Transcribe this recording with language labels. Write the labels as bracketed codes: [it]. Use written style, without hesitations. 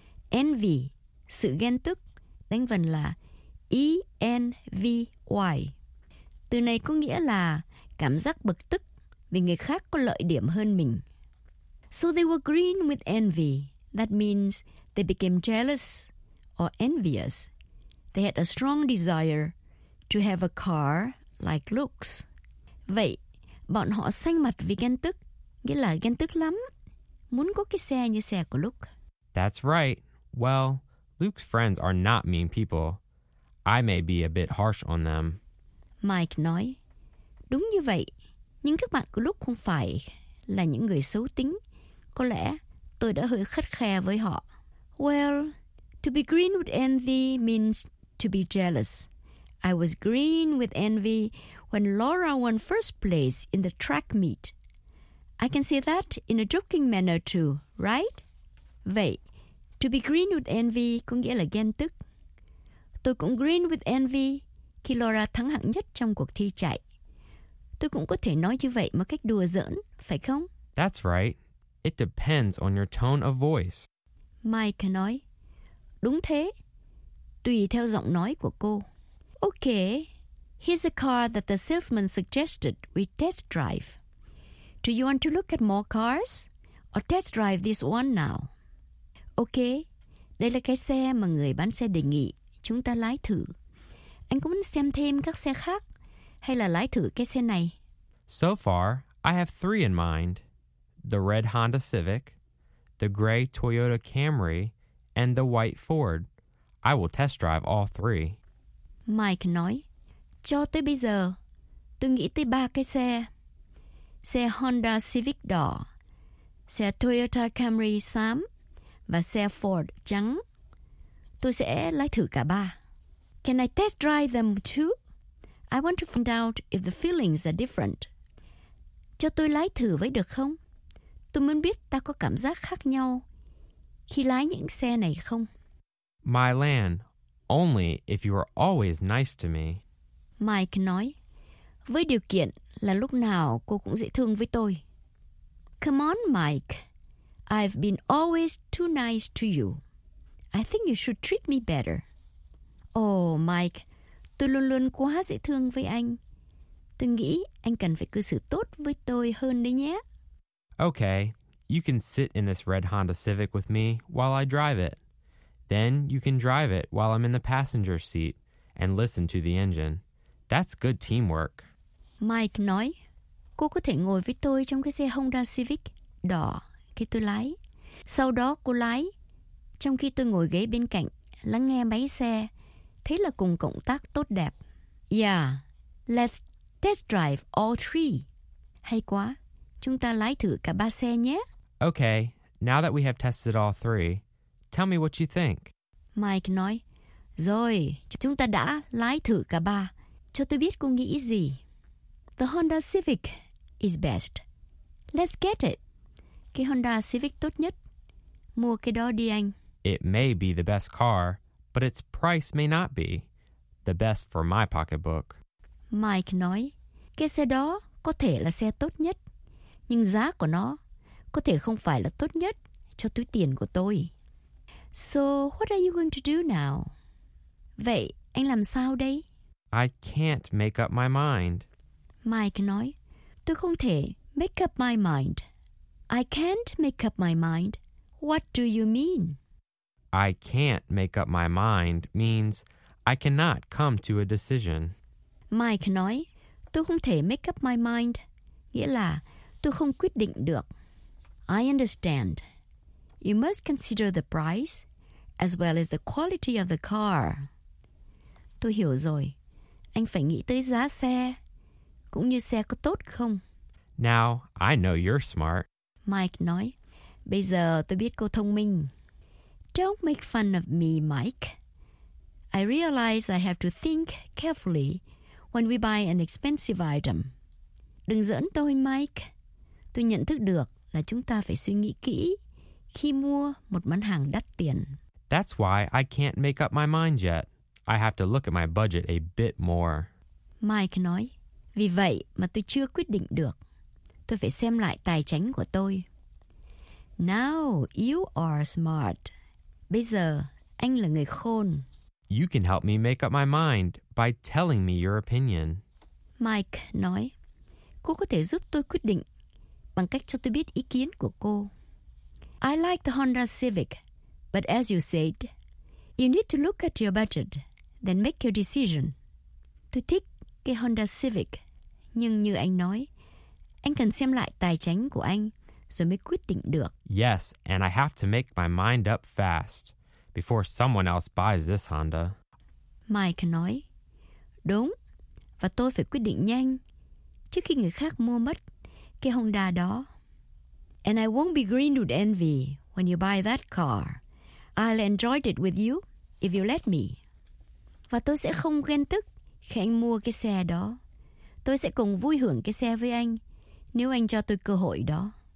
[vi] Envy, sự ghen tức, đánh vần là E-N-V-Y. Từ này có nghĩa là cảm giác bực tức vì người khác có lợi điểm hơn mình. [en] So they were green with envy. That means they became jealous or envious. They had a strong desire to have a car like Luke's. [vi] Vậy, bọn họ xanh mặt vì ghen tức, nghĩa là ghen tức lắm, muốn có cái xe như xe của Luke. [en] That's right. Well, Luke's friends are not mean people. I may be a bit harsh on them. [vi] Mike nói, đúng như vậy, nhưng các bạn của Luke không phải là những người xấu tính. Có lẽ tôi đã hơi khắt khe với họ. [en] Well, to be green with envy means to be jealous. I was green with envy when Laura won first place in the track meet. I can say that in a joking manner too, right? [vi] Vậy, [en] to be green with envy [vi] có nghĩa là ghen tức. Tôi cũng [en] green with envy [vi] khi Laura thắng hạng nhất trong cuộc thi chạy. Tôi cũng có thể nói như vậy một cách đùa giỡn, phải không? [en] That's right. It depends on your tone of voice. [vi] Mike nói, đúng thế, tùy theo giọng nói của cô. [en] Okay, here's a car that the salesman suggested we test drive. Do you want to look at more cars or test drive this one now? [vi] Okay, đây là cái xe mà người bán xe đề nghị chúng ta lái thử. Anh có muốn xem thêm các xe khác hay là lái thử cái xe này? [en] So far, I have three in mind. The red Honda Civic, the gray Toyota Camry, and the white Ford. I will test drive all three. [vi] Mike nói, cho tới bây giờ, tôi nghĩ tới ba cái xe. xe Honda Civic đỏ, xe Toyota Camry xám và xe Ford trắng. Tôi sẽ lái thử cả ba. [en] Can I test drive them too? I want to find out if the feelings are different. [vi] Cho tôi lái thử với được không? Tôi muốn biết ta có cảm giác khác nhau khi lái những xe này không? [en] My Lan, only if you are always nice to me. [vi] Mike nói, với điều kiện là lúc nào cô cũng dễ thương với tôi. [en] Come on, Mike. I've been always too nice to you. I think you should treat me better. [vi] Oh, Mike, tôi luôn luôn quá dễ thương với anh. Tôi nghĩ anh cần phải cư xử tốt với tôi hơn đấy nhé. [en] Okay, you can sit in this red Honda Civic with me while I drive it. Then you can drive it while I'm in the passenger seat and listen to the engine. That's good teamwork. [vi] Mike nói, cô có thể ngồi với tôi trong cái xe Honda Civic đỏ khi tôi lái. Sau đó cô lái, trong khi tôi ngồi ghế bên cạnh, lắng nghe máy xe. Thế là cùng cộng tác tốt đẹp. [en] Yeah, let's test drive all three. [vi] Hay quá, chúng ta lái thử cả ba xe nhé. [en] Okay, now that we have tested all three, tell me what you think. [vi] Mike nói, rồi, chúng ta đã lái thử cả ba. Cho tôi biết cô nghĩ gì. [en] The Honda Civic is best. Let's get it. [vi] Cái Honda Civic tốt nhất. Mua cái đó đi anh. [en] It may be the best car, but its price may not be the best for my pocketbook. [vi] Mike nói, cái xe đó có thể là xe tốt nhất, nhưng giá của nó có thể không phải là tốt nhất cho túi tiền của tôi. [en] So, what are you going to do now? [vi] Vậy, anh làm sao đây? [en] I can't make up my mind. [vi] Mike nói, tôi không thể [en] make up my mind. I can't make up my mind. What do you mean? I can't make up my mind means I cannot come to a decision. [vi] Mike nói, tôi không thể [en] make up my mind, [vi] nghĩa là tôi không quyết định được. [en] I understand. You must consider the price as well as the quality of the car. [vi] Tôi hiểu rồi. Anh phải nghĩ tới giá xe, cũng như xe có tốt không. [en] Now, I know you're smart. [vi] Mike nói, bây giờ tôi biết cô thông minh. [en] Don't make fun of me, Mike. I realize I have to think carefully when we buy an expensive item. [vi] Đừng giỡn tôi, Mike. Tôi nhận thức được là chúng ta phải suy nghĩ kỹ khi mua một món hàng đắt tiền. [en] That's why I can't make up my mind yet. I have to look at my budget a bit more. [vi] Mike nói, vì vậy mà tôi chưa quyết định được. Tôi phải xem lại tài chính của tôi. [en] Now you are smart. [vi] Bây giờ, anh là người khôn. [en] You can help me make up my mind by telling me your opinion. [vi] Mike nói, cô có thể giúp tôi quyết định bằng cách cho tôi biết ý kiến của cô. [en] I like the Honda Civic, but as you said, you need to look at your budget, then make your decision. [vi] Tôi thích cái Honda Civic, nhưng như anh nói, anh cần xem lại tài chính của anh. Rồi mới quyết định được. [en] Yes, and I have to make my mind up fast before someone else buys this Honda. [vi] Mike nói, đúng, và tôi phải quyết định nhanh trước khi người khác mua mất cái Honda đó. [en] And I won't be green with envy when you buy that car. I'll enjoy it with you if you let me. [vi] Và tôi sẽ không ghen tức khi anh mua cái xe đó. Tôi sẽ cùng vui hưởng cái xe với anh nếu anh cho tôi cơ hội đó.